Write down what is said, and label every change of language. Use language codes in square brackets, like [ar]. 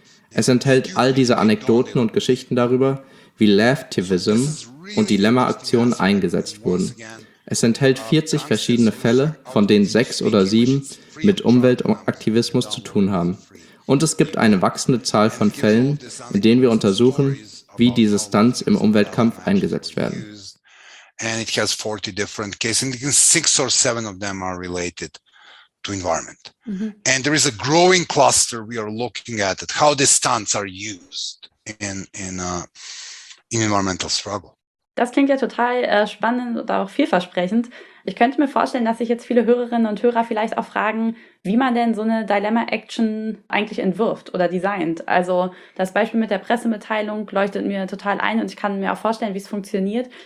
[de] Es enthält all diese Anekdoten und Geschichten darüber, wie Laugh-Tivism und Dilemma-Aktionen eingesetzt wurden. Es enthält 40 verschiedene Fälle, von denen 6 oder 7 mit Umweltaktivismus zu tun haben. Und es gibt eine wachsende Zahl von Fällen, in denen wir untersuchen, wie diese Stunts im Umweltkampf eingesetzt werden. [en] And it has 40 different cases, and 6 or 7 of them are related to environment. Mm-hmm. And there is a growing cluster we are looking at it, how these stunts are used in environmental struggle. [de] Das klingt ja total spannend und auch vielversprechend. Ich könnte mir vorstellen, dass sich jetzt viele Hörerinnen und Hörer vielleicht auch fragen, wie man denn so eine Dilemma-Action eigentlich entwirft oder designt. Also das Beispiel mit der Pressemitteilung leuchtet mir total ein und ich kann mir auch vorstellen, wie es funktioniert.